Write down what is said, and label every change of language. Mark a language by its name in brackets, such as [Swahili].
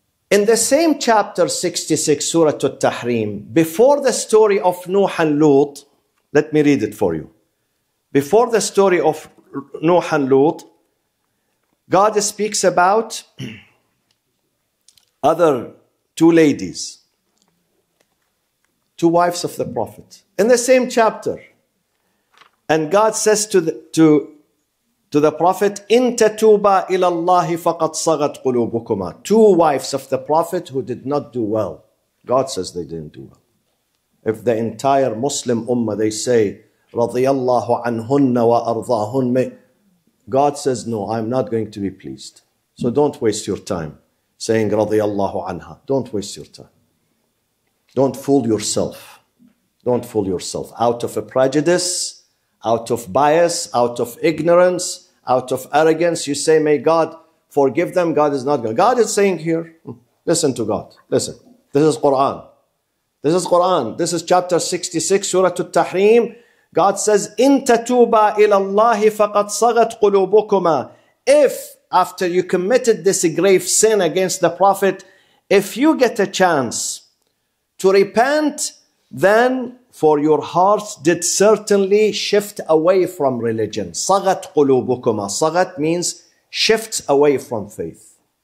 [English] In the same chapter 66, Surah Al-Tahrim, before the story of Nuh and Lut, let me read it for you. Before the story of Nuh and Lut, God speaks about other two ladies, two wives of the Prophet, in the same chapter. And God says to the Prophet, [Arabic] إِن تَتُوبَ إِلَى اللَّهِ فَقَدْ صَغَتْ قُلُوبُكُمَا. [English] Two wives of the Prophet who did not do well. God says they didn't do well. If the entire Muslim ummah, they say, [Arabic] رَضِيَ اللَّهُ عَنْهُنَّ وَأَرْضَاهُنَّ, [English] God says, no, I'm not going to be pleased. So don't waste your time saying, [Arabic] رَضِيَ اللَّهُ عَنْهَا. [English] Don't waste your time. Don't fool yourself. Don't fool yourself. Out of a prejudice, out of bias, out of ignorance, out of arrogance, you say, may God forgive them. God is not going. God is saying here, listen to God. Listen. This is Quran. This is Quran. This is chapter 66, Surah Al-Tahrim. God says, [Arabic] إِن تَتُوبَ إِلَى اللَّهِ فَقَدْ صَغَتْ قُلُوبُكُمَا. [English] If, after you committed this grave sin against the Prophet, if you get a chance to repent, then for your hearts did certainly shift away from religion. [Arabic] صَغَتْ قُلُوبُكُمَا. [English] صَغَتْ means shifts away from faith.